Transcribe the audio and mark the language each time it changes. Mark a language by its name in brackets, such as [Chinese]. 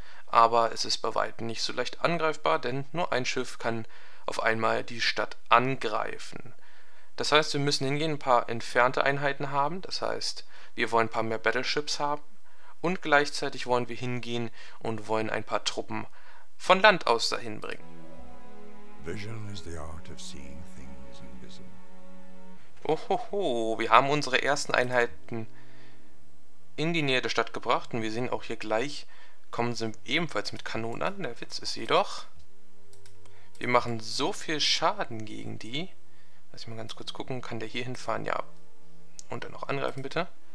[German] Aber es ist bei weitem nicht so leicht angreifbar, denn nur ein Schiff kann auf einmal die Stadt angreifen. Das heißt, wir müssen hingehen, ein paar entfernte Einheiten haben. Das heißt, wir wollen ein paar mehr Battleships haben. Und gleichzeitig wollen wir hingehen und wollen ein paar Truppen von Land aus dahin bringen. [English] Vision is the art of seeing things invisible. [German] Ohoho, wir haben unsere ersten Einheiten in die Nähe der Stadt gebracht. Und wir sehen auch hier gleich, kommen sie ebenfalls mit Kanonen an. Der Witz ist jedoch, wir machen so viel Schaden gegen die. Lass ich mal ganz kurz gucken, kann der hier hinfahren? Ja. Und dann noch angreifen, bitte.